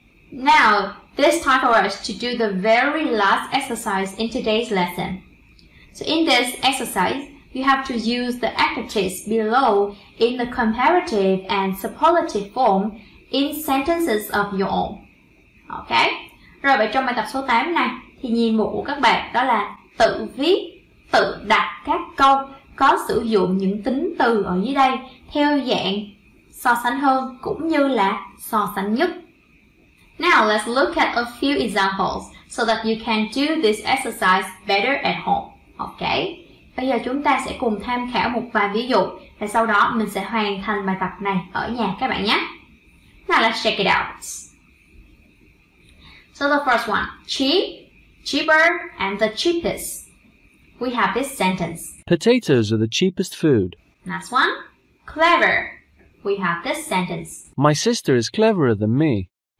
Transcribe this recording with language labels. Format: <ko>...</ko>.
<en>Now, this time for us to do the very last exercise in today's lesson. So in this exercise, you have to use the adjectives below in the comparative and superlative form in sentences of your own. Okay?</en> <vi>Rồi vậy trong bài tập số 8 này thì nhiệm vụ của các bạn đó là tự viết, tự đặt các câu có sử dụng những tính từ ở dưới đây theo dạng so sánh hơn cũng như là so sánh nhất.</vi> <en>Now let's look at a few examples so that you can do this exercise better at home. Okay?</en> <vi>Bây giờ chúng ta sẽ cùng tham khảo một vài ví dụ và sau đó mình sẽ hoàn thành bài tập này ở nhà các bạn nhé.</vi> <en>Now let's check it out. So the first one, cheap, cheaper, and the cheapest. We have this sentence. Potatoes are the cheapest food. Next one, clever. We have this sentence. My sister is cleverer than me.</en>